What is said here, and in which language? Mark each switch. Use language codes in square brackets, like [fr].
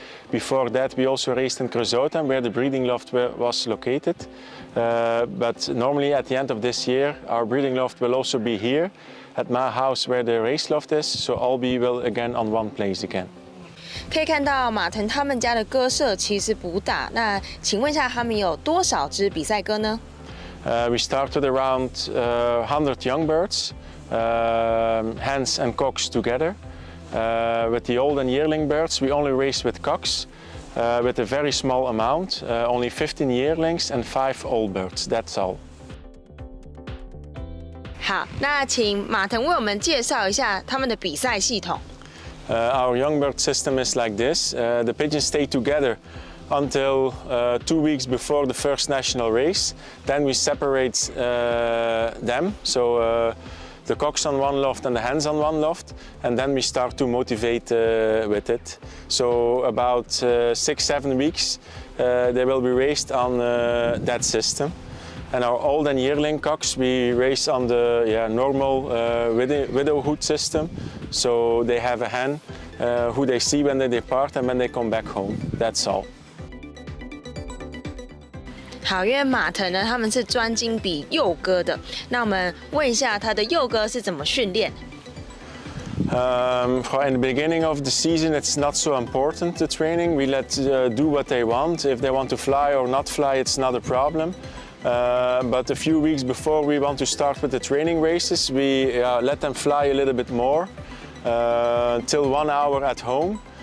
[en] Before that, we also raced in Creusoten, where the breeding loft was located. But normally at the end of this year, our breeding loft will also be here at my house where the race loft is. So all be well again on one place again. [zh] 可以看到马腾他们家的鸽舍其实不大。那请问一下，他们有多少只比赛鸽呢？ [en] We started around 100 young birds, hens and cocks together. With the old and yearling birds, we only race with cocks, with a very small amount, only 15 yearlings and 5 old birds, that's all. [zh] 好，那请马腾为我们介绍一下他们的比赛系统。 [en] Our young bird system is like this. The pigeons stay together until 2 weeks before the first national race. Then we separate them, so the cocks on one loft and the hens on one loft, and then we start to motivate with it. So about 6-7 weeks, they will be raced on that system. And our old and yearling cocks, we race on the normal widowhood system. So they have a hen who they see when they depart and when they come back home, that's all. [zh] 好，因为马腾呢，他们是专精比幼鸽的。那我们问一下，他的幼鸽是怎么训练？ [en] In the beginning of the season, it's not so important the training. We let do what they want. If they want to fly or not fly, it's not a problem. But a few weeks before we want to start with the training races, we let them fly a little bit more, till 1 hour at home.